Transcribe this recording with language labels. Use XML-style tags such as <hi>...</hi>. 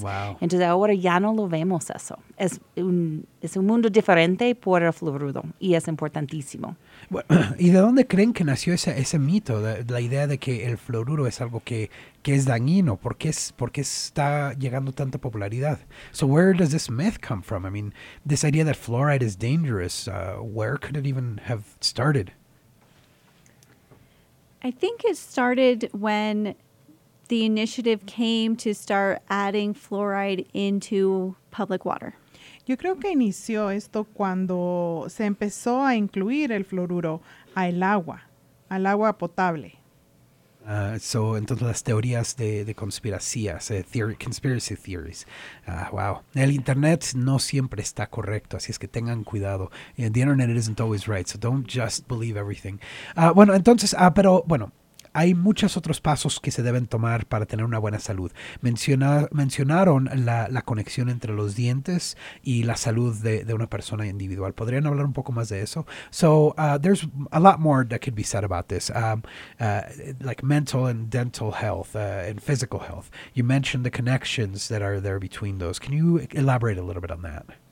<es>Wow. Entonces ahora ya no lo vemos eso. Es un mundo diferente por el fluorudo y es importantísimo. Bueno, ¿y de dónde creen que nació ese mito, la idea de que el fluorudo es algo que es dañino? ¿Por qué está llegando tanta popularidad?</es> <en>So where does this myth come from? I mean, this idea that fluoride is dangerous, where could it even have started? I think it started when the initiative came to start adding fluoride into public water.</en> <es>Yo creo que inició esto cuando se empezó a incluir el fluoruro al agua potable. So, entonces las teorías de conspiracías,</es> <en>conspiracy theories.</en> <es>Wow. El internet no siempre está correcto, así es que tengan cuidado.</es> <en>The internet isn't always right, so don't just believe everything.</en> <es>Bueno, entonces, pero bueno, hay muchos otros pasos que se deben tomar para tener una buena salud. Mencionaron la conexión entre los dientes y la salud de una persona individual. ¿Podrían hablar un poco más de eso?</es> <en>So, there's a lot more that could be said about this, like mental and dental health and physical health. You mentioned the connections that are there between those. Can you elaborate a little bit on that?</en>